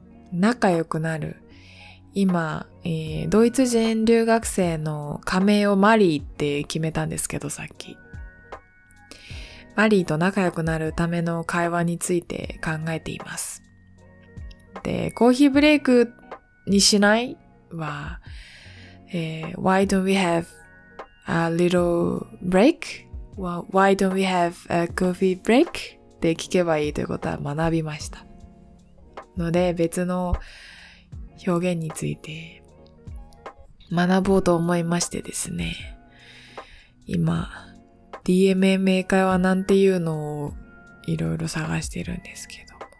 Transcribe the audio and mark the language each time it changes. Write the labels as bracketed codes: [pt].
[ja] 仲良くなる。今、ドイツ人留学生の仮名をマリーって決めたんですけど、さっき。マリーと仲良くなるための会話について考えています。で、コーヒーブレイクにしない? [en] は、Why don't we have a little break? Why don't we have a coffee break? [ja] って聞けばいいということは学びました。ので、別の表現について学ぼうと思いましてですね。今、DMMA 会話なんていうのをいろいろ探してるんですけど。